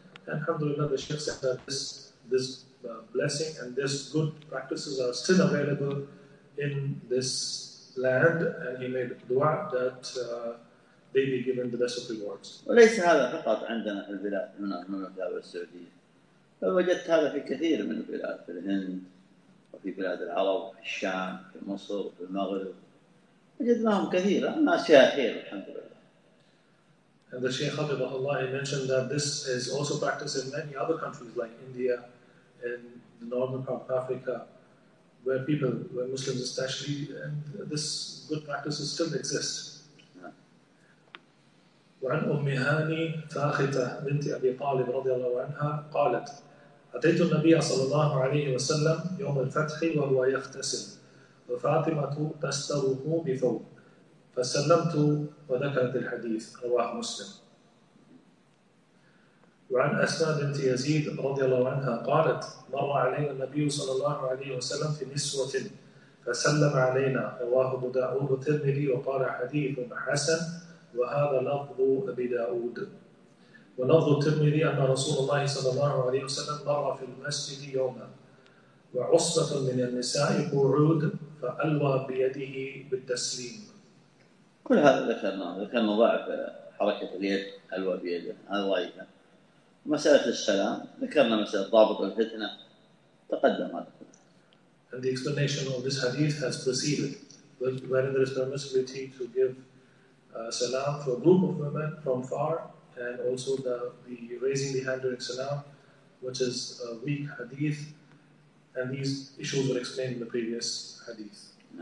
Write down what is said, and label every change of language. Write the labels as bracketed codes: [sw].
[en] And alhamdulillah, the Sheikh said that this blessing and this good practices are still available in this land, and he made dua that they be given the best of rewards. [ar] وليس هذا فقط عندنا في البلاد هنا في المملكة السعودية. فوجدت هذا في كثير من البلاد في الهند وفي بلاد العرب في الشام في مصر في المغرب وجدناهم كثير الناس يا خير الحمد لله. [en] And the Shaykh Habibullah, he mentioned that this is also practiced in many other countries like India, in the northern part of Africa, where people, where Muslims especially, and this good practices still exist. [ar] وعن أمهاني فاخته بنت أبي طالب رضي الله عنها قالت أتيت النبي صلى الله عليه وسلم يوم الفتح وهو يغتسل وفاطمة تستره بثوب فسلمت وذكرت الحديث رواه مسلم. وعن أسماء بنت يزيد رضي الله عنها قالت مر علينا النبي صلى الله عليه وسلم في نسوة فسلم علينا رواه أبو داود والترمذي وقال حديث حسن وهذا لفظ أبي داود. ولفظ الترمذي أن رسول الله صلى الله عليه وسلم مر في المسجد يوما وعصفة من النساء قعود فألوى بيده بالتسليم. كل هذا ذكرنا ضعف حركة اليد حلوة بيده هذا ضعيفة. مسألة السلام ذكرنا مسألة ضابط الفتنة تقدم هذا. [en] And the explanation of this hadith has proceeded, wherein there is permissibility to give salam for a group of women from far, and also the raising the hand during salam, which is a weak hadith, and these issues were explained in the previous hadith.